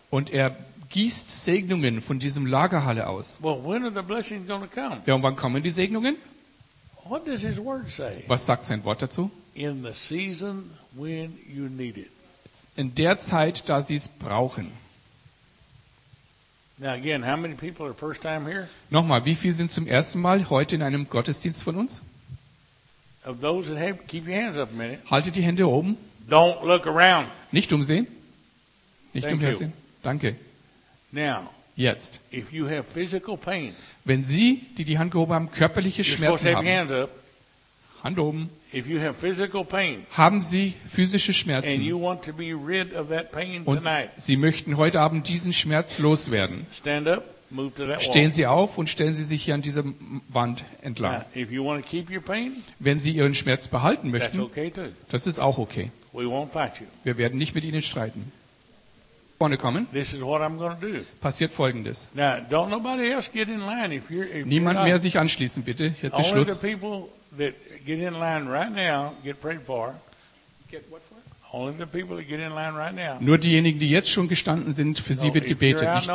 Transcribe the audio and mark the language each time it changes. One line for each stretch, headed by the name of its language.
German: Und er gießt Segnungen von diesem Lagerhalle aus.
English: Well, when are the blessings going to come?
German: Ja, und wann kommen die Segnungen?
English: What does his word say?
German: Was sagt sein Wort dazu?
English: In the season when you need it.
German: In der Zeit, da sie es brauchen.
English: Now again, how many people are first time here?
German: Nochmal, wie viele sind zum ersten Mal heute in einem Gottesdienst von uns?
English: Of those that have, keep your hands up a minute.
German: Haltet die Hände oben.
English: Don't look around.
German: Nicht umsehen. Nicht
English: Thank
German: umhersehen.
English: You.
German: Danke.
English: Now,
German: jetzt.
English: If you have physical pain,
German: wenn Sie, die Hand gehoben haben, körperliche
English: you're
German: Schmerzen
English: supposed to have
German: haben,
English: hands up.
German: Hand oben.
English: If you have physical pain,
German: haben Sie physische Schmerzen
English: and you want to be rid of that pain
German: und
English: tonight,
German: Sie möchten heute Abend diesen Schmerz loswerden,
English: stand up, move to that wall.
German: Stehen Sie auf und stellen Sie sich hier an dieser Wand entlang.
English: Now, if you want to keep your pain,
German: wenn Sie Ihren Schmerz behalten möchten,
English: that's okay too.
German: Das ist auch okay.
English: We won't fight you.
German: Wir werden nicht mit Ihnen streiten. Vorne kommen.
English: This is what I'm going to do.
German: Passiert Folgendes.
English: Now, don't nobody else get in line if you're, if
German: niemand
English: you're
German: mehr sich anschließen, bitte. Jetzt ist Schluss.
English: That get in line right now, get prayed for. Only the people that get in line right now.
German: Nur diejenigen, die jetzt schon gestanden sind, für sie wird gebetet.